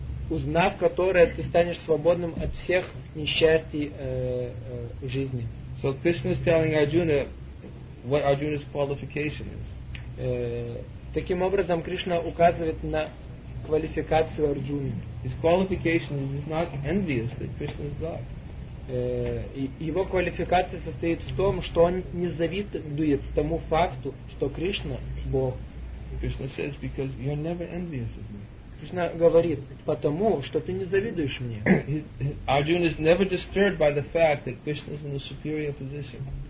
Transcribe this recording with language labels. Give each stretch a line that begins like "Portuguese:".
Russian: Узнав которое, ты станешь свободным от всех несчастий жизни.
English: So Krishna is telling Arjuna what Arjuna's qualification is.
Russian: Таким образом, Кришна указывает на квалификацию Арджуны.
English: His qualification is he's not envious that Krishna is God.
Russian: Его квалификация состоит в том, что он не завидует тому факту, что Кришна – Бог.
English: Krishna says, because you're never envious of me.
Russian: Кришна говорит, потому что ты не завидуешь мне.
English: Arjuna is never disturbed by the fact that Krishna is in a superior position.